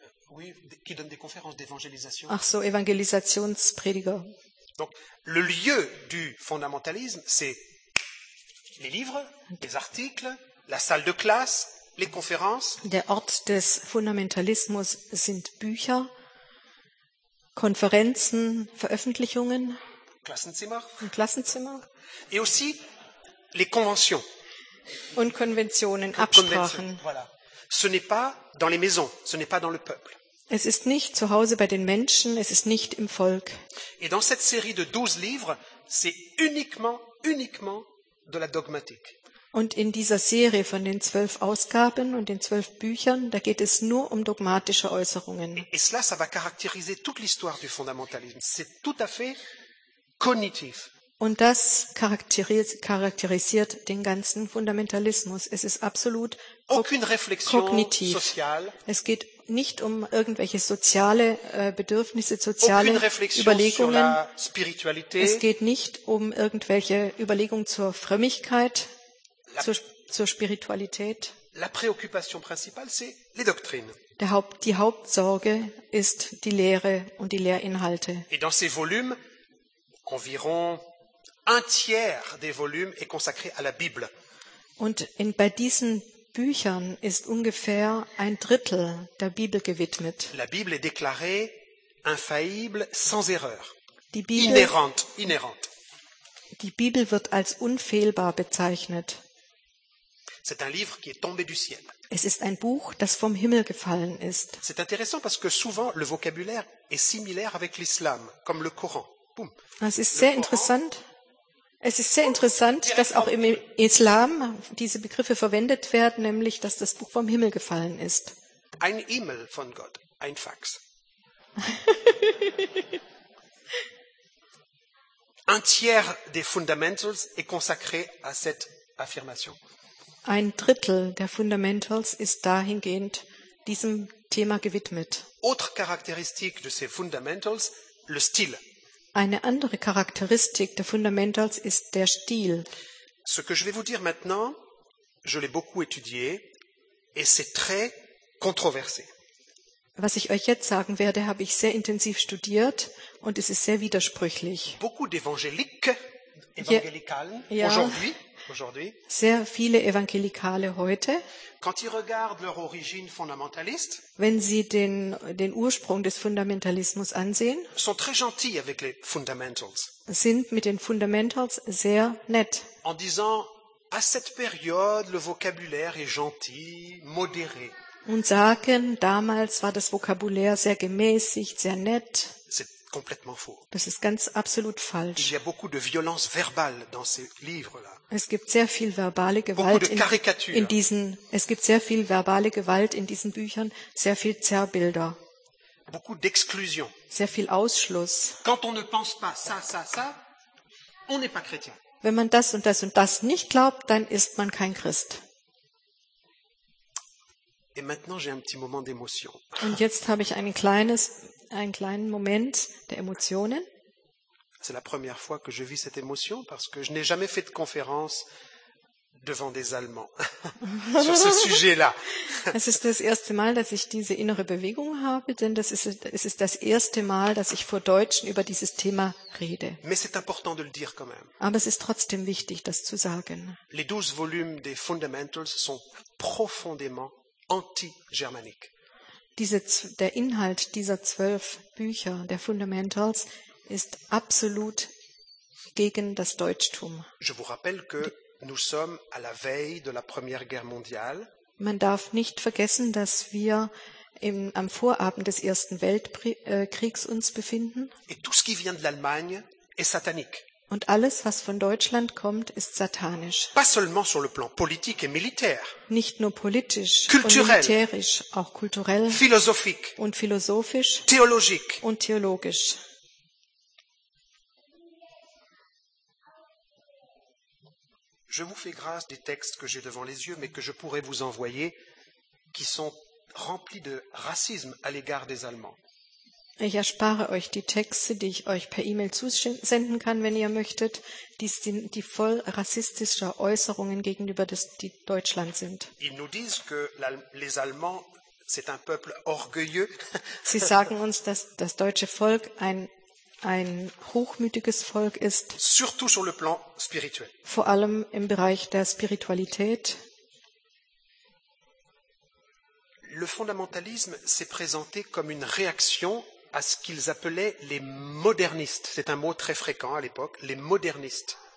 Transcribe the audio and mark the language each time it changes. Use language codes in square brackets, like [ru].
[fr] Oui, qui donnent des conférences d'évangélisation. [de] Ach so, Evangelisationsprediger. [fr] Donc, le lieu du fondamentalisme, c'est les livres, les articles, la salle de classe, les conférences. [de] Der Ort des Fundamentalismus sind Bücher, Konferenzen, Veröffentlichungen, Klassenzimmer. [fr] Et aussi les conventions. [de] Und Konventionen, Absprachen. [fr] Voilà. Ce n'est pas dans les maisons, ce n'est pas dans le peuple. [de] Es ist nicht zu Hause bei den Menschen, es ist nicht im Volk. [fr] Et dans cette série de 12 livres, c'est uniquement de la dogmatique. [de] Und in dieser Serie von den 12 Ausgaben und den 12 Büchern, da geht es nur um dogmatische Äußerungen. [fr] Et cela, ça va caractériser toute l'histoire du fondamentalisme. C'est tout à fait cognitif. [de] Und das charakterisiert den ganzen Fundamentalismus. Es ist absolut kognitiv. [fr] Sociale. [de] Es geht nicht um irgendwelche soziale Bedürfnisse, soziale Überlegungen. Es geht nicht um irgendwelche Überlegungen zur Frömmigkeit, zur Spiritualität. [fr] La préoccupation principale, c'est les doctrines. [de] Die Hauptsorge ist die Lehre und die Lehrinhalte. [fr] Et dans ces volumes, environ un tiers des volumes est consacré à la Bible. [de] Und bei diesen Büchern ist ungefähr ein Drittel der Bibel gewidmet. [fr] La Bible est déclarée infaillible, sans erreur. [de] Die Bibel, [fr] inhérente. [de] Die Bibel wird als unfehlbar bezeichnet. [fr] C'est un livre qui est tombé du ciel. [de] Es ist ein Buch, das vom Himmel gefallen ist. [fr] C'est intéressant parce que souvent le vocabulaire est similaire avec l'islam, comme le Coran. Boom. [de] Das ist sehr interessant. Es ist sehr interessant, dass auch im Islam diese Begriffe verwendet werden, nämlich dass das Buch vom Himmel gefallen ist. Ein E-Mail von Gott, ein Fax. [fr] Un tiers des fundamentals est consacré à cette affirmation. [de] Ein Drittel der Fundamentals ist dahingehend diesem Thema gewidmet. [fr] Autre caractéristique de ces fundamentals, le style. [de] Eine andere Charakteristik der Fundamentals ist der Stil. [fr] Ce que je vais vous dire maintenant, je l'ai beaucoup étudié et c'est très controversé. [de] Was ich euch jetzt sagen werde, habe ich sehr intensiv studiert und es ist sehr widersprüchlich. [fr] Beaucoup d'évangéliques, évangélicales, [de] ja, [fr] aujourd'hui, ja, aujourd'hui. [de] Sehr viele Evangelikale heute. [fr] Quand ils regardent leur origine fondamentaliste, [de] wenn sie den Ursprung des Fundamentalismus ansehen, [fr] sont très gentils avec les fundamentals. [de] Sind mit den Fundamentals sehr nett. [fr] En disant, à cette période, le vocabulaire est gentil, modéré. [de] Und sagen, damals war das Vokabular sehr gemäßigt, sehr nett. [fr] C'est complètement faux. [de] Das ist ganz absolut falsch. [fr] Il y a beaucoup de violence verbale dans ces livres-là. [de] Es gibt sehr viel verbale Gewalt in diesen Büchern, sehr viel Zerrbilder. [fr] Beaucoup d'exclusion. [de] Sehr viel Ausschluss. [fr] Quand on ne pense pas ça, on n'est pas chrétien. [de] Wenn man das und das und das nicht glaubt, dann ist man kein Christ. [fr] Et maintenant j'ai un petit moment d'émotion. [de] Und jetzt habe ich einen kleinen Moment der Emotionen. [fr] C'est la première fois que je vis cette émotion parce que je n'ai jamais fait de conférence devant des Allemands sur ce sujet-là. [de] Es ist das erste Mal, dass ich diese innere Bewegung habe, denn es ist das erste Mal, dass ich vor Deutschen über dieses Thema rede. [fr] Mais c'est important de le dire quand même. [de] Aber es ist trotzdem wichtig, das zu sagen. [fr] Les 12 volumes des Fundamentals sont profondément anti-germanique. [de] Der Inhalt dieser 12 Bücher der Fundamentals ist absolut gegen das Deutschtum. [fr] Je vous rappelle que nous sommes à la veille de la Première Guerre mondiale. [de] Man darf nicht vergessen, dass wir am Vorabend des Ersten Weltkriegs uns befinden. [fr] Et tout ce qui vient de l'Allemagne est satanique. [de] Und alles, was von Deutschland kommt, ist satanisch. [fr] Pas seulement sur le plan politique et militaire. [de] Nicht nur politisch, [fr] culturel, [de] und militärisch, auch kulturell, [fr] philosophique, [de] und philosophisch, [fr] théologique, [de] und theologisch. [fr] Je vous fais grâce des textes que j'ai devant les yeux, mais que je pourrais vous envoyer, qui sont remplis de racisme à l'égard des Allemands. [de] Ich erspare euch die Texte, die ich euch per E-Mail zusenden kann, wenn ihr möchtet, die voll rassistischer Äußerungen gegenüber die Deutschland sind. [fr] Ils nous disent que les Allemands, c'est un peuple orgueilleux. [de] Sie sagen uns, dass das deutsche Volk ein hochmütiges Volk ist. [fr] Surtout sur le plan spirituel. [de] Vor allem im Bereich der Spiritualität. [fr] Le fondamentalisme s'est présenté comme une réaction à ce qu'ils appelaient les modernistes. C'est un mot très fréquent à l'époque, les modernistes.